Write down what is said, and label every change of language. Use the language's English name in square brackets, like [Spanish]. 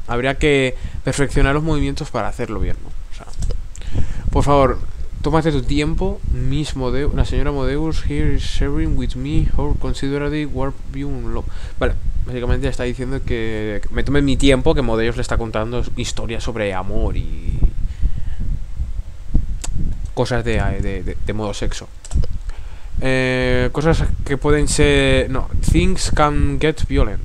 [Spanish] Habría que perfeccionar los movimientos para hacerlo bien, ¿no? O sea, por favor, tómate tu tiempo. [English] Miss Modeus, [Spanish] la señora Modeus [English] here is sharing with me her considerably warp view and love. [Spanish] Vale, básicamente está diciendo que me tome mi tiempo, que Modeus le está contando historias sobre amor y cosas de modo sexo. Cosas que pueden ser. No, [English] things can get violent.